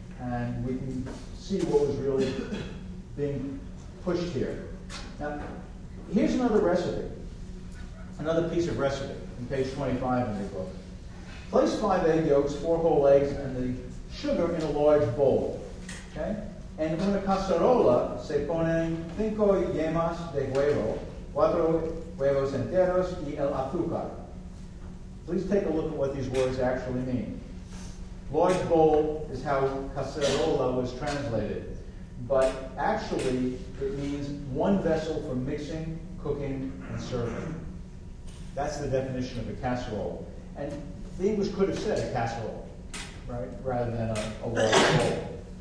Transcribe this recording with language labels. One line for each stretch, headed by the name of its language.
English: And we can see what was really being pushed here. Now, here's another recipe, another piece of recipe on page 25 in the book. Place 5 egg yolks, 4 whole eggs, and the sugar in a large bowl. Okay?
Spanish: En una cacerola se ponen 5 yemas de huevo, 4 huevos enteros y el azúcar.
English: Please take a look at what these words actually mean. Large bowl is how cacerola was translated. But actually, it means one vessel for mixing, cooking, and serving. That's the definition of a casserole. And the English could have said a casserole, right, rather than a large bowl.